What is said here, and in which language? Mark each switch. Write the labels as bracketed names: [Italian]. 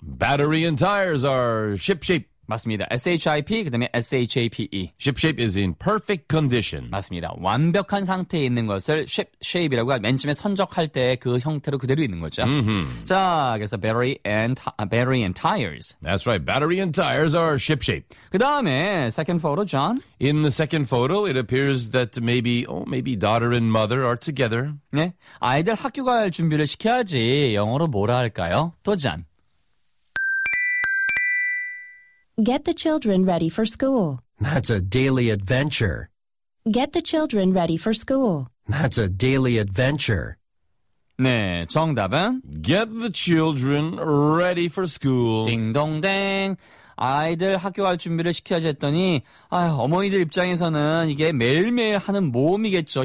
[English] Battery and tires are shipshape. [Korean] 맞습니다. S-H-I-P, 그 다음에 S-H-A-P-E. [English] Shipshape is in perfect condition. [Korean] 맞습니다. 완벽한 상태에 있는 것을 shipshape이라고 맨 처음에 선적할 때 그 형태로 그대로 있는 거죠. Mm-hmm. 자, 그래서 battery and tires. [English] That's right. Battery and tires are shipshape. [Korean] 그 다음에 [English] second photo, [Korean] John. [English] In the second photo, it appears that maybe daughter and mother are together. [Korean] 네. 아이들 학교 갈 준비를 시켜야지 영어로 뭐라 할까요? 도전. [English] Get the children ready for school. That's a daily adventure. Get the children ready for school. That's a daily adventure. [Korean] 네, 정답은? [English] Get the children ready for school. [Korean] 딩동댕. 아이들 학교 갈 준비를 시켜야지 했더니 어머니들 입장에서는 이게 매일매일 하는 모험이겠죠.